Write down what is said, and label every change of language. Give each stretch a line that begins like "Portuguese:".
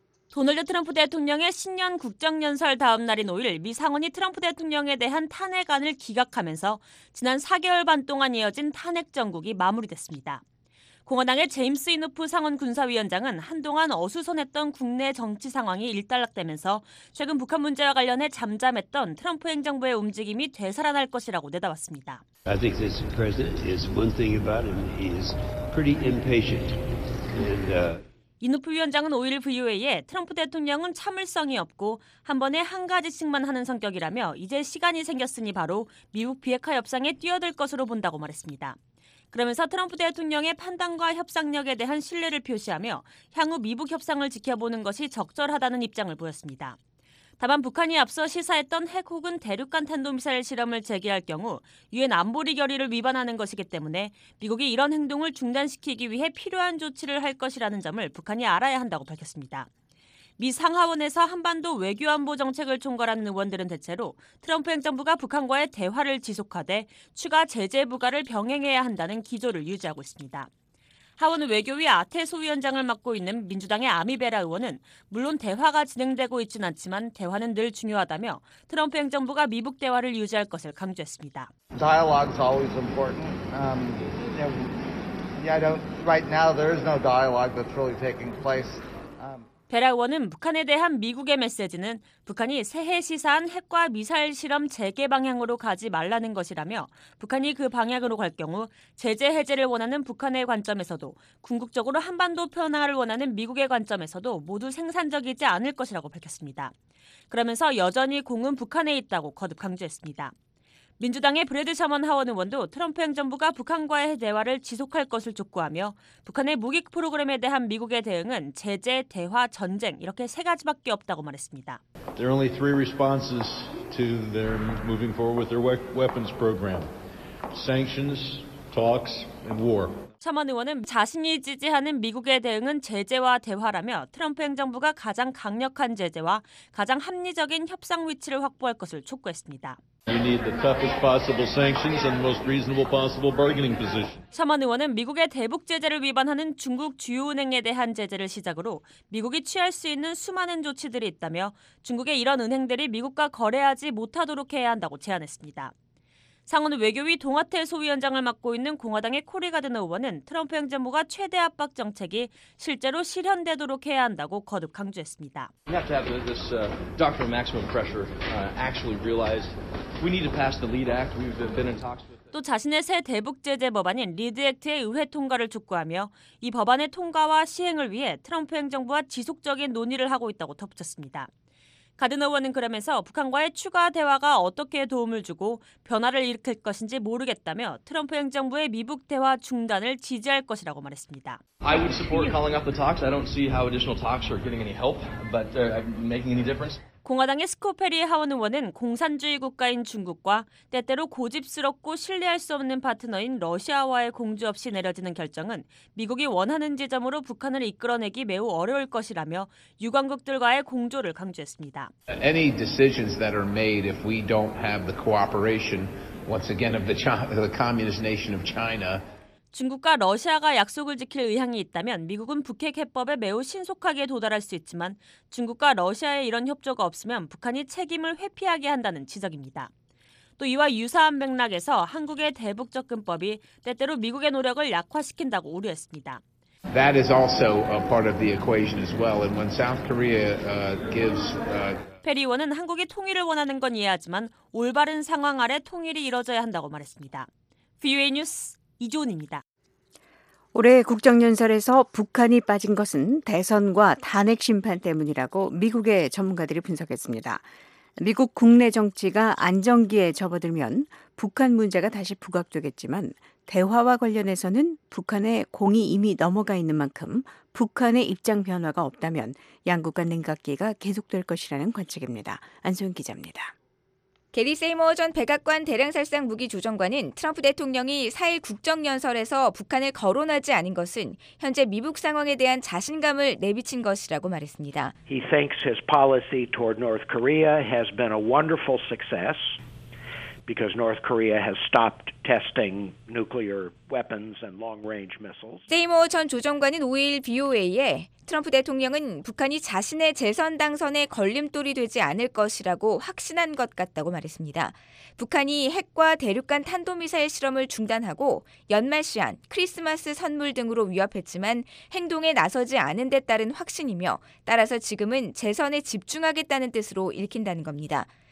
Korean: 도널드 트럼프 대통령의 신년 국정연설 다음 날인 5일 미 상원이 트럼프 대통령에 대한 탄핵안을 기각하면서 지난 4개월 반 동안 이어진 탄핵 정국이 마무리됐습니다. 공화당의 제임스 이노프 상원 군사위원장은 한동안 어수선했던 국내 정치 상황이 일단락되면서 최근 북한 문제와 관련해 잠잠했던 트럼프 행정부의 움직임이 되살아날 것이라고 내다봤습니다.
English: I think this president is one thing about him. He is pretty impatient. And,
Korean: 이노프 위원장은 5일 VOA에 트럼프 대통령은 참을성이 없고 한 번에 한 가지씩만 하는 성격이라며 이제 시간이 생겼으니 바로 미국 비핵화 협상에 뛰어들 것으로 본다고 말했습니다. 그러면서 트럼프 대통령의 판단과 협상력에 대한 신뢰를 표시하며 향후 미북 협상을 지켜보는 것이 적절하다는 입장을 보였습니다. 다만 북한이 앞서 시사했던 핵 혹은 대륙간 탄도미사일 실험을 재개할 경우 유엔 안보리 결의를 위반하는 것이기 때문에 미국이 이런 행동을 중단시키기 위해 필요한 조치를 할 것이라는 점을 북한이 알아야 한다고 밝혔습니다. 미 상하원에서 한반도 외교안보 정책을 총괄하는 의원들은 대체로 트럼프 행정부가 북한과의 대화를 지속하되 추가 제재 부과를 병행해야 한다는 기조를 유지하고 있습니다. 하원 외교위 아태소 위원장을 맡고 있는 민주당의 아미베라 의원은 물론 대화가 진행되고 있진 않지만 대화는 늘 중요하다며 트럼프 행정부가 미북 대화를 유지할 것을 강조했습니다.
English: Dialogue is always important. Yeah, I don't. Right now, there is no dialogue that's really taking place.
Korean: 베라 의원은 북한에 대한 미국의 메시지는 북한이 새해 시사한 핵과 미사일 실험 재개 방향으로 가지 말라는 것이라며 북한이 그 방향으로 갈 경우 제재 해제를 원하는 북한의 관점에서도 궁극적으로 한반도 평화를 원하는 미국의 관점에서도 모두 생산적이지 않을 것이라고 밝혔습니다. 그러면서 여전히 공은 북한에 있다고 거듭 강조했습니다. 민주당의 브래드 셔먼 하원 의원도 트럼프 행정부가 북한과의 대화를 지속할 것을 촉구하며 북한의 무기 프로그램에 대한 미국의 대응은 제재, 대화, 전쟁 이렇게 세 가지밖에 없다고 말했습니다.
English: There are only three responses to their moving forward with their weapons program. Sanctions, talks, and war.
Korean: 셔먼 의원은 자신이 지지하는 미국의 대응은 제재와 대화라며 트럼프 행정부가 가장 강력한 제재와 가장 합리적인 협상 위치를 확보할 것을 촉구했습니다.
English: You need the toughest possible sanctions and the most reasonable possible bargaining position.
Korean: 셔먼 의원은 미국의 대북 제재를 위반하는 중국 주요 은행에 대한 제재를 시작으로 미국이 취할 수 있는 수많은 조치들이 있다며 중국의 이런 은행들이 미국과 거래하지 못하도록 해야 한다고 제안했습니다. 상원 외교위 동아태 소위원장을 맡고 있는 공화당의 코리 가드너 의원은 트럼프 행정부가 최대 압박 정책이 실제로 실현되도록 해야 한다고 거듭 강조했습니다.
English: We have to have this doctrine of maximum pressure actually realized. We need to pass the LEAD Act. We've been in talks.
Korean: 또 자신의 새 대북 제재 법안인 리드 액트의 의회 통과를 촉구하며 이 법안의 통과와 시행을 위해 트럼프 행정부와 지속적인 논의를 하고 있다고 덧붙였습니다. 가드너 의원은 그러면서 북한과의 추가 대화가 어떻게 도움을 주고 변화를 일으킬 것인지 모르겠다며 트럼프 행정부의 미북 대화 중단을 지지할 것이라고 말했습니다.
English: I would support calling off the talks. I don't see how additional talks are getting any help, but making any difference.
Korean: 공화당의 스코페리 하원 의원은 공산주의 국가인 중국과 때때로 고집스럽고 신뢰할 수 없는 파트너인 러시아와의 공조 없이 내려지는 결정은 미국이 원하는 지점으로 북한을 이끌어내기 매우 어려울 것이라며 유관국들과의 공조를 강조했습니다.
English: Any decisions that are made if we don't have the cooperation once again of the communist nation of China.
Korean: 중국과 러시아가 약속을 지킬 의향이 있다면 미국은 북핵 해법에 매우 신속하게 도달할 수 있지만 중국과 러시아의 이런 협조가 없으면 북한이 책임을 회피하게 한다는 지적입니다. 또 이와 유사한 맥락에서 한국의 대북 접근법이 때때로 미국의 노력을 약화시킨다고 우려했습니다.
English: That is also a part of the equation as well. And when South Korea gives
Korean: 페리 의원은 한국이 통일을 원하는 건 이해하지만 올바른 상황 아래 통일이 이뤄져야 한다고 말했습니다. VOA 뉴스 이조은입니다. 올해 국정연설에서 북한이 빠진 것은 대선과 탄핵 심판 때문이라고 미국의 전문가들이 분석했습니다. 미국 국내 정치가 안정기에 접어들면 북한 문제가 다시 부각되겠지만 대화와 관련해서는 북한의 공이 이미 넘어가 있는 만큼 북한의 입장 변화가 없다면 양국 간 냉각기가 계속될 것이라는 관측입니다. 안소영 기자입니다. 게리 세이머 전 백악관 대량살상 무기 조정관은 트럼프 대통령이 4일 국정연설에서 북한을 거론하지 않은 것은 현재 미북 상황에 대한 자신감을 내비친 것이라고 말했습니다.
English: He thinks his policy toward North Korea has been a wonderful success because North Korea has stopped testing nuclear weapons and long-range missiles.
Korean: 세이머 전 조정관은 5일 VOA에 트럼프 대통령은 북한이 자신의 재선 당선에 걸림돌이 되지 않을 것이라고 확신한 것 같다고 말했습니다. 북한이 핵과 대륙간 탄도미사일 실험을 중단하고 연말 시한, 크리스마스 선물 등으로 위협했지만 행동에 나서지 않은 데 따른 확신이며 따라서 지금은 재선에 집중하겠다는 뜻으로 읽힌다는 겁니다.